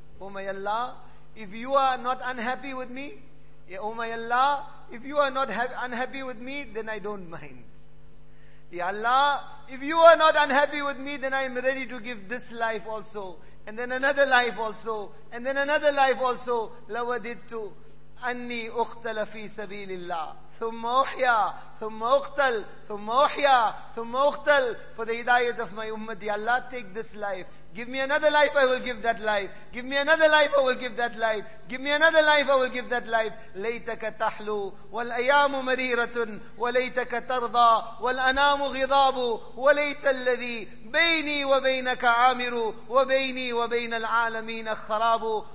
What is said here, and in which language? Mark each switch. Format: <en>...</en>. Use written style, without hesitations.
<en>O my Allah, if you are not unhappy with me, yeah, O my Allah, if you are not unhappy with me, then I don't mind. Ya Allah, if you are not unhappy with me, then I am ready to give this life also, and then another life also, and then another life also.</en> <ar>لَوَدِدْتُ أَنِّي أُقْتَلَ فِي سَبِيلِ اللَّهِ ثُمَّ أُحْيَى ثُمَّ أُقْتَلْ ثُمَّ أُحْيَى ثُمَّ أُقْتَلْ.</ar> <en>For the hidayat of my ummah, Ya Allah, take this life. Give me another life, I will give that life. Give me another life, I will give that life. Give me another life, I will give that life.</en> <ar>لَيْتَكَ تَحْلُو وَالْأَيَامُ مَرِيرَةٌ وَلَيْتَكَ تَرْضَى وَالْأَنَامُ غِضَابُ وَلَيْتَ الَّذِي بَيْنِي وَبَيْنَكَ عَامِرُ وَبَيْنِي وَبَيْنَ الْعَالَمِينَ خَرَابُ.</ar>